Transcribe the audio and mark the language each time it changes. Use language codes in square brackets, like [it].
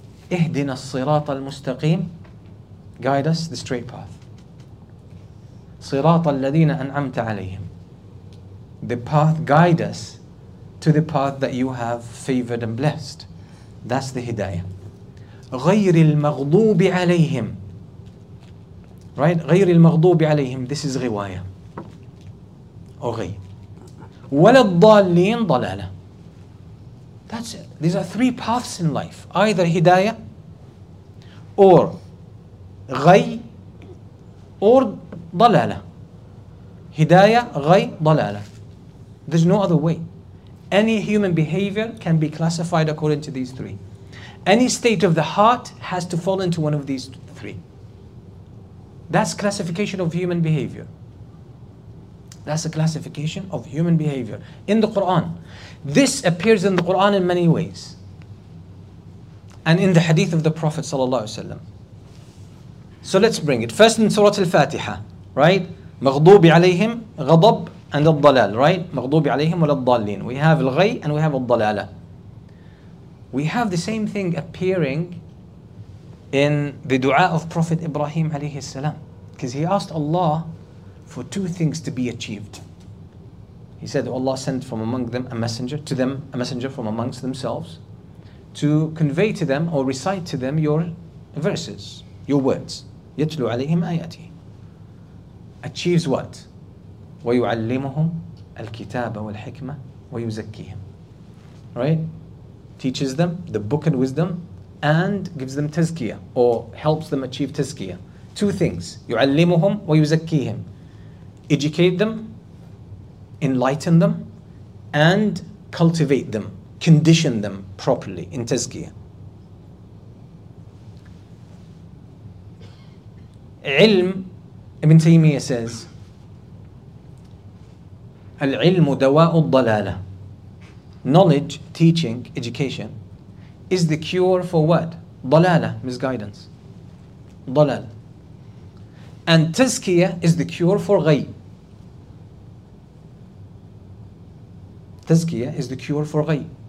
[en] Ihdina [ar] الصراط المستقيم, [en] guide us the straight path. [ar] صراط الذين أنعمت عليهم, [en] the path, guide us to the path that you have favored and blessed. That's the hidayah. [ar] غير المغضوب عليهم, right? غير المغضوب عليهم, [en] this is [ar] غواية or غي. ولا الضالين ضلالة. That's it. [en] These are three paths in life. Either hidayah or غي or ضلالة. Hidayah, ghay, dalala. There's no other way. Any human behavior can be classified according to these three. Any state of the heart has to fall into one of these three. That's classification of human behavior. That's a classification of human behavior in the Quran. This appears in the Quran in many ways. And in the hadith of the Prophet ﷺ. So let's bring it. First in Surah Al-Fatiha, right? مغضوب عليهم غضب and الضلال, right? مغضوب عليهم ولا الضالين. We have الغي and we have الضلالة. We have the same thing appearing in the dua of Prophet Ibrahim عليه السلام, because he asked Allah for two things to be achieved. He said, Allah sent from among them a messenger to them, a messenger from amongst themselves, to convey to them or recite to them your verses, your words. [ar] يتلو عليهم آياتي. [en] Achieves what? [ar] وَيُعَلِّمُهُمْ الْكِتَابَ وَالْحِكْمَةِ وَيُزَكِّهِمْ. Right? [en] Teaches them the book and wisdom and gives them tazkiyah or helps them achieve tazkiyah. Two things. [ar] يُعَلِّمُهُمْ وَيُزَكِّهِمْ. [en] Educate them, enlighten them, and cultivate them, condition them properly in tazkiyah. [ar] علم, Ibn Taymiyyah says, العلم دواء الضلالة. [en] Knowledge, teaching, education is the cure for what? [ar] ضلالة, misguidance. ضلال. [en] And تزكية is the cure for غي. تزكية is the cure for غي.